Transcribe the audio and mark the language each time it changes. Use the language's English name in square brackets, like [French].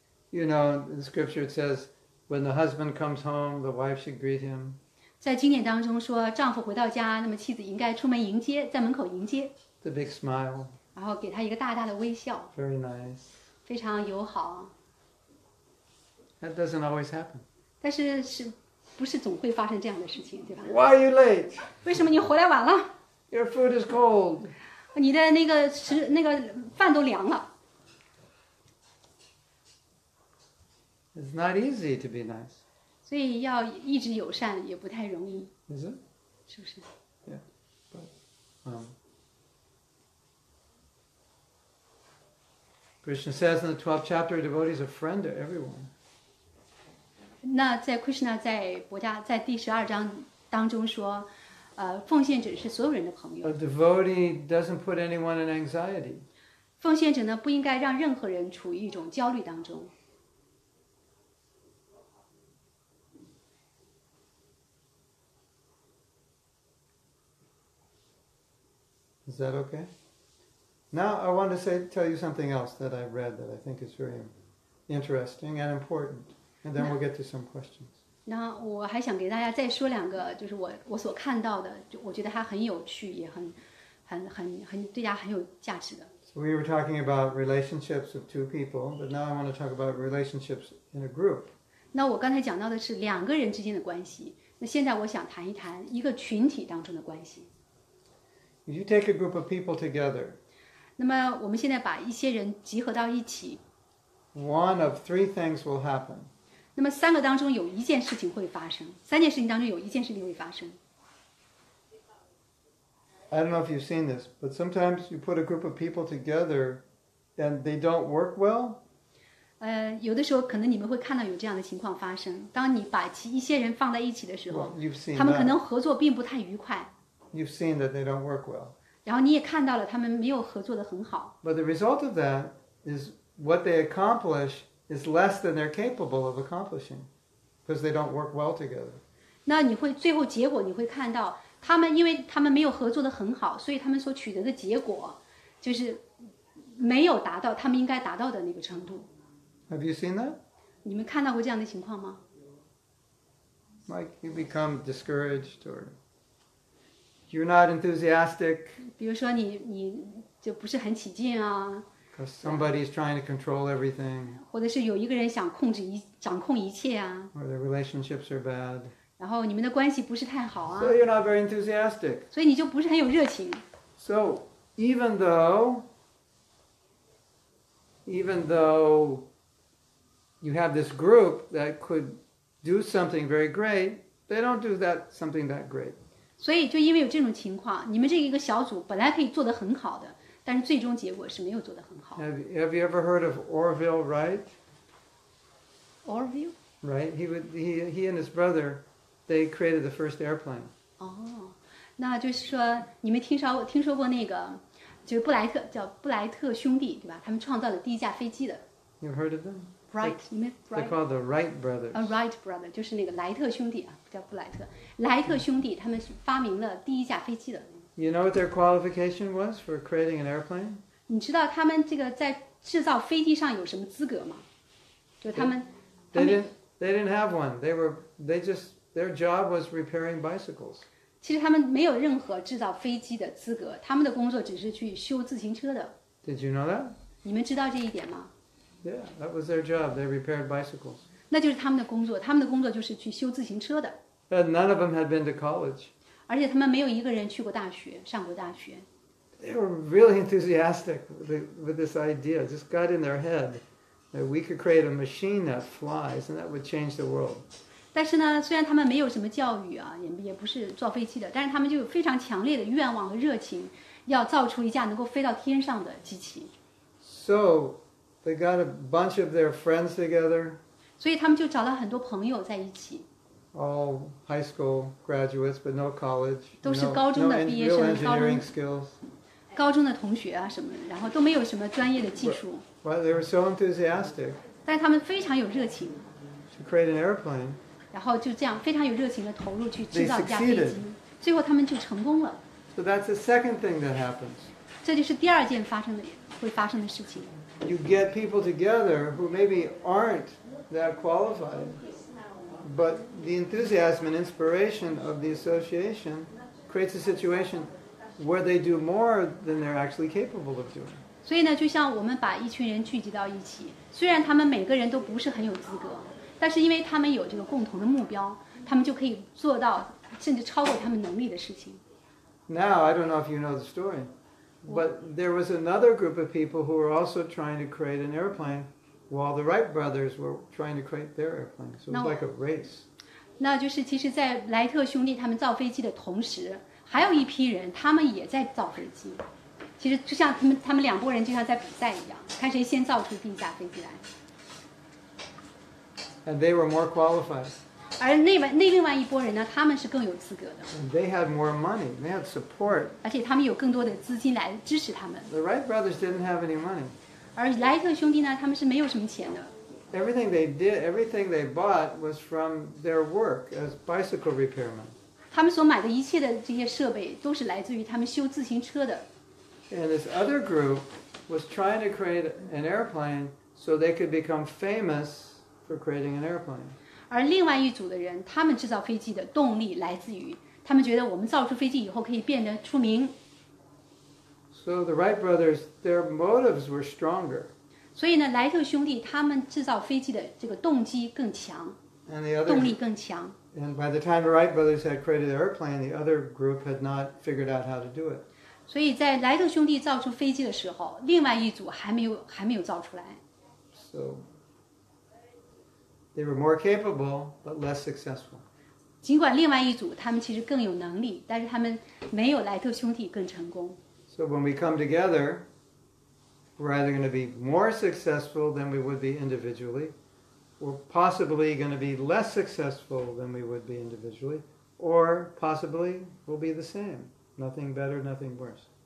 [English] You know, in the scripture it says, when the husband comes home, the wife should greet him. [Chinese] 在经典当中说，丈夫回到家，那么妻子应该出门迎接，在门口迎接。 [English] The big smile. [Chinese] 然后给他一个大大的微笑。 [English] Very nice. [Chinese] 非常友好。 [English] That doesn't always happen. [Chinese] 但是是，不是总会发生这样的事情，对吧？ [English] Why are you late? [Chinese] 为什么你回来晚了？ [English] Your food is cold. [Chinese] 你的那个饭都凉了。 [English] It's not easy to be nice. [Chinese] 所以要一直友善也不太容易。 [English] Is it? [Chinese] 是不是？ [English] Yeah. But, Krishna says in the 12th chapter, a devotee is a friend to everyone. [Chinese] 那在 Krishna 在伯家在第十二章当中说，奉献者是所有人的朋友。 [English] A devotee doesn't put anyone in anxiety. [Chinese] 奉献者呢不应该让任何人处于一种焦虑当中。 [English] Is that okay? Now I want to tell you something else that I read that I think is very interesting and important. And then we'll get to some questions. [Chinese] 那我还想给大家再说两个，就是我所看到的，我觉得它很有趣，也很对大家很有价值的。 [English] So we were talking about relationships of two people, but now I want to talk about relationships in a group. [Chinese] 那我刚才讲到的是两个人之间的关系，那现在我想谈一谈一个群体当中的关系。 [English] If you take a group of people together, [Chinese] 那么我们现在把一些人集合到一起, [English] one of three things will happen. [Chinese] 那么三个当中有一件事情会发生, 三件事情当中有一件事情会发生。 [English] I don't know if you've seen this, but sometimes you put a group of people together and they don't work well. [Chinese] 有的时候可能你们会看到有这样的情况发生, 当你把一些人放在一起的时候, [English] well, you've seen [Chinese] 他们可能合作并不太愉快。 [English] You've seen that they don't work well. [Chinese] 然后你也看到了他们没有合作得很好。 [English] But the result of that is what they accomplish is less than they're capable of accomplishing, because they don't work well together. [Chinese] 那你会最后结果你会看到他们因为他们没有合作得很好，所以他们所取得的结果就是没有达到他们应该达到的那个程度。 [English] Have you seen that? [Chinese] 你们看到过这样的情况吗？ [English] Like you become discouraged or. You're not enthusiastic. [Chinese] 比如说你就不是很起劲啊。 [English] Because somebody is trying to control everything. [Chinese] 或者是有一个人想控制掌控一切啊。 [English] Or their relationships are bad. [Chinese] 然后你们的关系不是太好啊。 [English] So you're not very enthusiastic. [Chinese] 所以你就不是很有热情。 [English] So even though you have this group that could do something very great, they don't do that something that great. [Chinese] 所以就因为有这种情况，你们这一个小组本来可以做得很好的，但是最终结果是没有做得很好。 [English] Have you ever heard of Orville Wright? Orville? Right. He and his brother, they created the first airplane. [Chinese] 哦，那就是说你们听说过那个，就是布莱特兄弟，对吧？他们创造了第一架飞机的。 [English] You heard of them? Wright. They call the Wright brothers. [Chinese] A Wright brother 就是那个莱特兄弟啊。叫布莱特，莱特兄弟他们发明了第一架飞机的。 [English] You know what their qualification was for creating an airplane? [Chinese] 你知道他们这个在制造飞机上有什么资格吗？就他们 [English] They didn't have one. Their job was repairing bicycles. [Chinese] 其实他们没有任何制造飞机的资格，他们的工作只是去修自行车的。 [English] Did you know that? [Chinese] 你们知道这一点吗？ [English] Yeah, that was their job. They repaired bicycles. [Chinese] 那就是他们的工作，他们的工作就是去修自行车的。 [English] But none of them had been to college. [Chinese] 而且他们没有一个人去过大学，上过大学。 [English] They were really enthusiastic with this idea. It just got in their head that we could create a machine that flies and that would change the world. [Chinese] 但是呢，虽然他们没有什么教育啊，也不是坐飞机的，但是他们就有非常强烈的愿望和热情，要造出一架能够飞到天上的机器。 [English] So they got a bunch of their friends together. [Chinese] 所以他们就找了很多朋友在一起。 [English] All high school graduates, but no college. [Chinese] 都是高中的毕业生， [English] no engineering skills. [Chinese] 高中的同学啊什么，然后都没有什么专业的技术。 [English] Well, they were so enthusiastic. [Chinese] 但他们非常有热情。 [English] To create an airplane. [Chinese] 然后就这样非常有热情的投入去制造一架飞机，最后他们就成功了。 [English] So that's the second thing that happens. [Chinese] 这就是第二件发生的会发生的事情。 [English] You get people together who maybe aren't that qualified, but the enthusiasm and inspiration of the association creates a situation where they do more than they're actually capable of doing. [Chinese] 所以呢，就像我们把一群人聚集到一起，虽然他们每个人都不是很有资格，但是因为他们有这个共同的目标，他们就可以做到甚至超过他们能力的事情。 [English] Now, I don't know if you know the story, but there was another group of people who were also trying to create an airplane while the Wright brothers were trying to create their airplane. So it was like a race. [Chinese] 那就是其实在莱特兄弟他们造飞机的同时，还有一批人他们也在造飞机。其实就像他们两拨人就像在比赛一样，看谁先造出第一架飞机来。 [English] And they were more qualified. [Chinese] 而那另外一拨人呢，他们是更有资格的。 [English] They had more money. They had support. [Chinese] 而且他们有更多的资金来支持他们。 [English] The Wright brothers didn't have any money. [Chinese] 而莱特兄弟呢，他们是没有什么钱的。 [English] Everything they did, everything they bought was from their work as bicycle repairmen. [Chinese] 他们所买的一切的这些设备都是来自于他们修自行车的。 [English] And this other group was trying to create an airplane so they could become famous for creating an airplane. [Chinese] 而另外一组的人，他们制造飞机的动力来自于他们觉得我们造出飞机以后可以变得出名。 [English] So the Wright brothers, their motives were stronger. [Chinese] 所以呢，莱特兄弟他们制造飞机的这个动机更强， [English] and the other, [Chinese] 动力更强。 [English] And by the time the Wright brothers had created the airplane, the other group had not figured out how to do it. [Chinese] 所以在莱特兄弟造出飞机的时候，另外一组还没有造出来。 [English] So. They were more capable, but less successful. [Chinese] 尽管另外一组他们其实更有能力，但是他们没有莱特兄弟更成功。 [English] So when we come together, we're either going to be more successful than we would be individually, or possibly going to be less successful than we would be individually, or possibly we'll be the same. Nothing better, nothing worse.